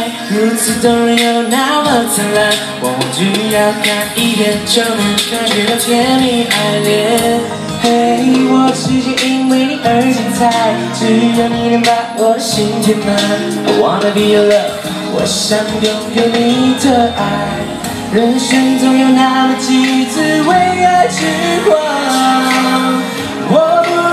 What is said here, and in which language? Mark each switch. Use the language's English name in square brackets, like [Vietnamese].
[Chinese] 如此动人又那么灿烂，我只要看一眼就能感觉到甜蜜爱恋。嘿，我世界因为你而精彩，只要你能把我心填满。 [English] I wanna be your love， [Chinese] 我想拥有你的爱。人生总有那么几次为爱痴狂。